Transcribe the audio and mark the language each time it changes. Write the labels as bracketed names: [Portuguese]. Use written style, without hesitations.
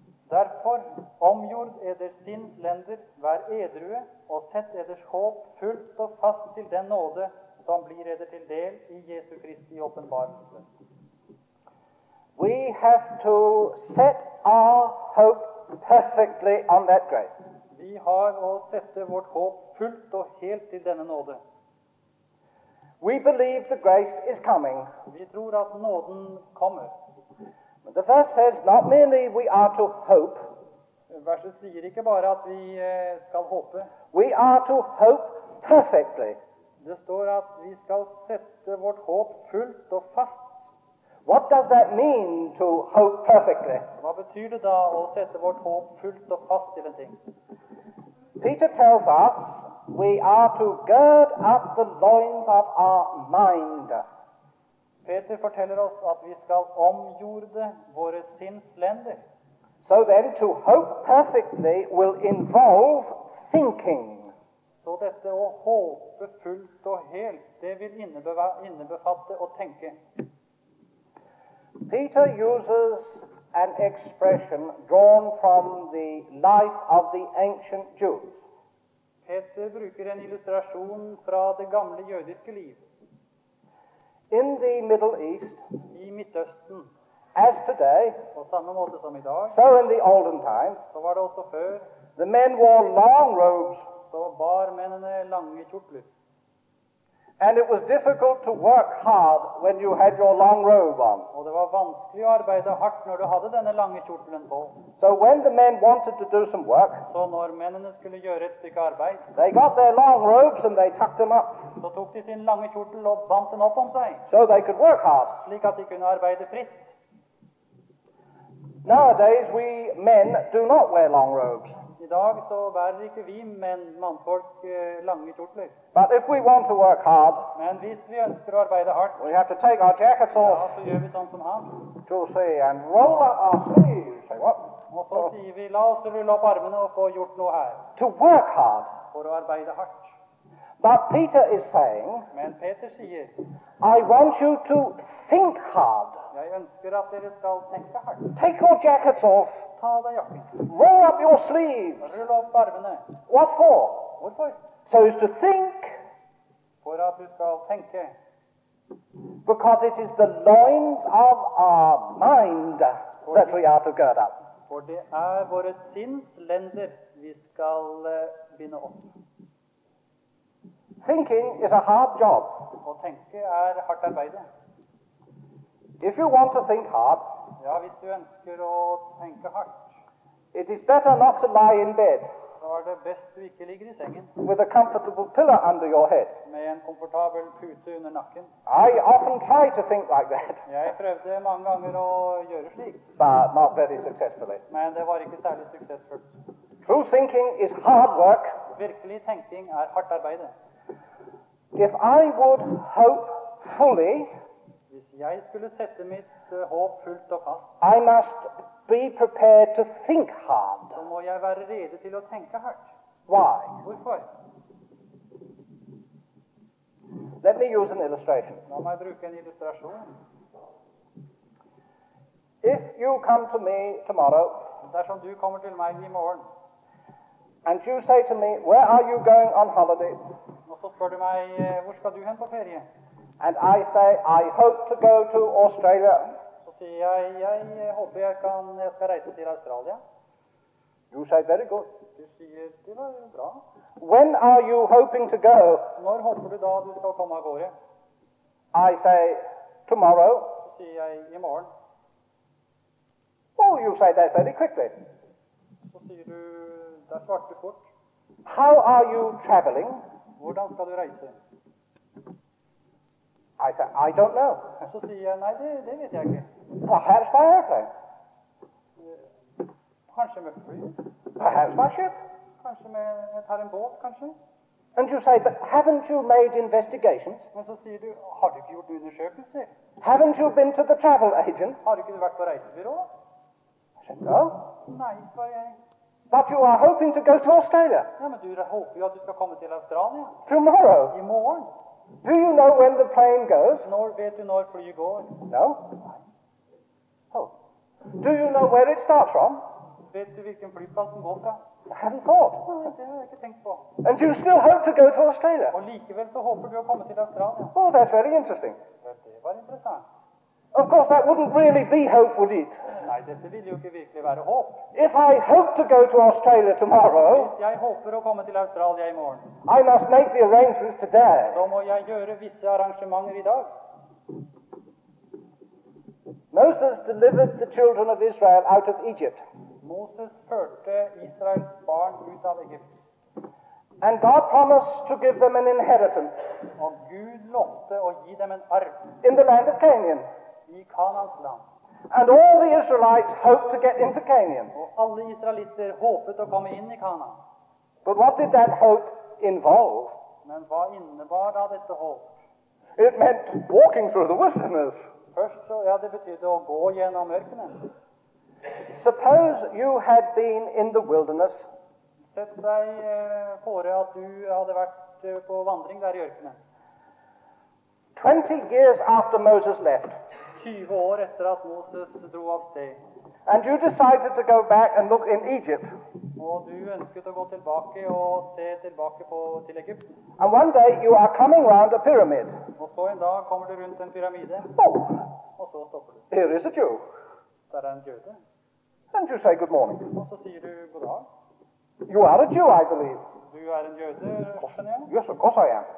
[Norwegian] Derfor, omgjord eders sinnslender, vær edrue, og sett eders håp fullt og fast til den nåde som blir eder til del i Jesu Kristi åpenbarelse. [English] We have to set our hope perfectly on that grace. [Norwegian] Vi har å sette vårt håp fullt og helt til denne nåde. [English] We believe the grace is coming. [Norwegian] Vi tror at nåden kommer. [English] But the verse says not merely we are to hope. [Norwegian] Verset sier ikke bare at vi skal håpe. [English] We are to hope perfectly. [Norwegian] Det står at vi skal sette vårt håp fullt og fast. [English] What does that mean to hope perfectly? [Norwegian] Hva betyr det da å sette vårt håp fullt og fast i en ting? [English] Peter tells us we are to gird up the loins of our mind. [Norwegian] Peter forteller oss at vi skal omgjorde våre sinnslender. [English] So then to hope perfectly will involve thinking. [Norwegian] Så dette å håpe fullt og helt, det vil innebefatte å tenke. [English] Peter uses an expression drawn from the life of the ancient Jews. [Norwegian] Peter bruker en illustrasjon fra det gamle jødiske liv. [English] In the Middle East, [Norwegian] i Midtøsten, [English] as today, [Norwegian] på samme måte som i dag, [English] so in the olden times, [Norwegian] så var det også før, [English] the men wore long robes, [Norwegian] så bar mennene lange kjortler. [English] And it was difficult to work hard when you had your long robe on. [Norwegian] Og det var vanskelig å arbeide hardt når du hadde denne lange kjortelen på. [English] So when the men wanted to do some work, [Norwegian] så når mennene skulle gjøre et stykke arbeid, [English] they got their long robes and they tucked them up. [Norwegian] Så tok de sin lange kjortel og bandt den opp om seg. [English] So they could work hard. [Norwegian] Slik at de kunne arbeide fritt. [English] Nowadays we men do not wear long robes. [Norwegian] I dag så bærer ikke vi menn, mannfolk, lange kjortler. [English] But if we want to work hard, [Norwegian] men hvis vi ønsker å arbeide hardt, [English] we have to take our jackets off, [Norwegian] ja, så gjør vi sånn som han. [English] To see and roll up our sleeves, say what? [Norwegian] Og så sier vi, la oss rulle opp armene og få gjort noe her. [English] To work hard. [Norwegian] For å arbeide hardt. [English] But Peter is saying, [Norwegian] men Peter sier, [English] I want you to think hard. [Norwegian] Jeg ønsker at dere skal tenke hardt. [English] Take your jackets off. Roll up your sleeves. [Norwegian] Rull opp armene. [English] What for? [Norwegian] Hvorfor? [English] So as to think. [Norwegian] For at du skal tenke. [English] Because it is the loins of our mind that we are to gird up. [Norwegian] For det våre sinnslender vi skal binde opp. [English] Thinking is a hard job. [Norwegian] Å tenke hardt arbeide. [English] If you want to think hard, [Norwegian] ja, hvis du ønsker å tenke hardt, [English] it is better not to lie in bed, [Norwegian] så det best du ikke ligger i sengen, [English] with a comfortable pillow under your head, [Norwegian] med en komfortabel pute under nakken. [English] I often try to think like that. [Norwegian] Jeg prøvde mange ganger å gjøre slik, [English] but not very successfully. [Norwegian] Men det var ikke særlig suksessfullt. [English] True thinking is hard work. [Norwegian] Virkelig tenking hardt arbeide. [English] If I would hope fully, [Norwegian] hvis jeg skulle sette mitt håp fullt og fast, [English] I must be prepared to think hard. [Norwegian] Så må jeg være rede til å tenke hardt. [English] Why? [Norwegian] Hvorfor? [English] Let me use an illustration. [Norwegian] La meg bruke en illustrasjon. [English] If you come to me tomorrow, [Norwegian] dersom du kommer til meg i morgen, [English] and you say to me, where are you going on holiday? [Norwegian] Og så spør du meg, hvor skal du hen på ferie? [English] And I say, I hope to go to Australia. [Norwegian] Så sier jeg, jeg håper jeg skal reise til Australia. [English] You say very good. [Norwegian] Du sier, det var bra. [English] When are you hoping to go? [Norwegian] Når håper du da du skal komme av gårde? [English] I say, tomorrow. [Norwegian] Så sier jeg, i morgen. [English] Oh, you say that very quickly. [Norwegian] Så sier du, det svarte fort. [English] How are you traveling? [Norwegian] Hvordan skal du reise? [English] I say, I don't know. [Norwegian] Så sier jeg, nei, det vet jeg ikke. [English] Perhaps by airplane. [Norwegian] Kanskje med fly. [English] Perhaps by ship. [Norwegian] Kanskje med, jeg tar en båt, kanskje. [English] And you say, but haven't you made investigations? [Norwegian] Men så sier du, har du ikke gjort undersøkelser? [English] Haven't you been to the travel agent? [Norwegian] Har du ikke vært på reisebyrå? [English] I said, no. [Norwegian] Nei, svarer jeg. [English] But you are hoping to go to Australia. [Norwegian] Ja, men du håper jo at du skal komme til Australia. [English] Tomorrow. [Norwegian] I morgen. [English] Do you know when the plane goes? [Norwegian] Når vet du når flyet går? [English] No. Oh. Do you know where it starts from? [Norwegian] Vet du hvilken flyplass den går fra? [English] I haven't thought. [Norwegian] Nei, det har jeg ikke tenkt på. [English] And you still hope to go to Australia? [Norwegian] Og likevel så håper du å komme til Australia. [English] Oh, that's very interesting. [Norwegian] Det var interessant. [English] Of course, that wouldn't really be hope, would it? [Norwegian] Nei, dette ville jo ikke virkelig være håp. [English] If I hope to go to Australia tomorrow, [Norwegian] hvis jeg håper å komme til Australia i morgen, [English] I must make the arrangements today. [Norwegian] Da må jeg gjøre visse arrangementer i dag. [English] Moses delivered the children of Israel out of Egypt. [Norwegian] Moses førte Israels barn ut av Egypt. [English] And God promised to give them an inheritance. [Norwegian] Og Gud lovte å gi dem en arv. [English] In the land of Canaan. [Norwegian] I Kanaans land. [English] And all the Israelites hoped to get into Canaan. [Norwegian] Og alle israelitter håpet å komme inn i Kanaan. [English] But what did that hope involve? [Norwegian] Men hva innebar da dette håp? [English] It meant walking through the wilderness. [Norwegian] Først så, ja, det betydde å gå gjennom ørkenen. [English] Suppose you had been in the wilderness. [Norwegian] Sett deg fore at du hadde vært på vandring der i ørkenen. [English] 20 years after Moses left. [Norwegian] 20 år etter at Moses dro av sted. [English] And you decided to go back and look in Egypt. [Norwegian] Og du ønsket å gå tilbake og se tilbake på til Egypt. [English] And one day you are coming round a pyramid. [Norwegian] Og så en dag kommer du rundt en pyramide. [English] Oh. [Norwegian] Og så stopper du. [English] Here is a Jew. [Norwegian] Der en jøde. [English] And you say good morning. [Norwegian] Og så sier du god dag. [English] You are a Jew, I believe. [Norwegian] Du en jøde, skjønner jeg? [English] Yes, of course I am.